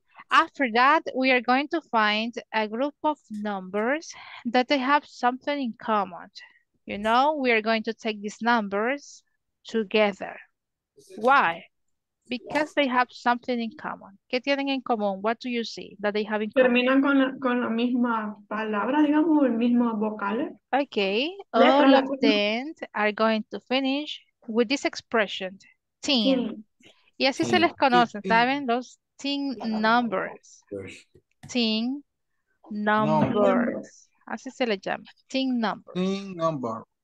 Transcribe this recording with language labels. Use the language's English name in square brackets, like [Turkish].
[English] after that, we are going to find a group of numbers that they have something in common. You know, we are going to take these numbers together. Why? Because they have something in common. [Spanish] ¿Qué tienen en común? [English] What do you see that they have in common? [Spanish] Terminan con la misma palabra, digamos, o el mismo vocal. Okay. [English] All of them are going to finish with this expression, teen. [Spanish] Y así se les conocen, ¿saben? Los teen numbers. Teen numbers. Así se les llama. Teen numbers. [English] Teen number.